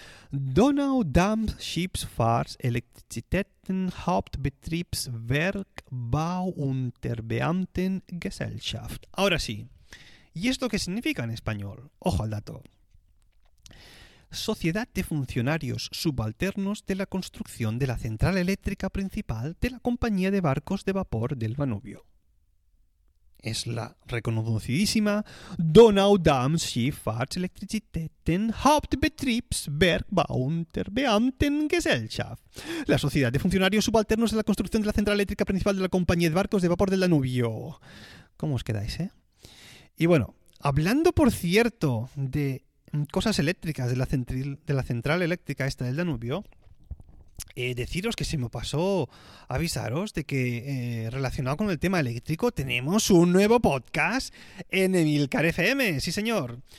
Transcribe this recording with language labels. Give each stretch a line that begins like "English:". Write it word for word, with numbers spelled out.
German: Donaudampfschifffahrtselektrizitäten-Hauptbetriebswerk Bauunterbeamtengesellschaft.
Spanish: Ahora sí. ¿Y esto qué significa en español? Ojo al dato. Sociedad de Funcionarios Subalternos de la Construcción de la Central Eléctrica Principal de la Compañía de Barcos de Vapor del Danubio. Es la reconocidísima Donaudampfschifffahrtselektrizitäten Hauptbetriebswerk Bauunterbeamtengesellschaft. La Sociedad de Funcionarios Subalternos de la Construcción de la Central Eléctrica Principal de la Compañía de Barcos de Vapor del Danubio. ¿Cómo os quedáis, eh? Y bueno, hablando, por cierto, de cosas eléctricas de la central, de la central eléctrica esta del Danubio, eh, deciros que se me pasó avisaros de que eh, relacionado con el tema eléctrico tenemos un nuevo podcast en Emilcar F M, sí señor.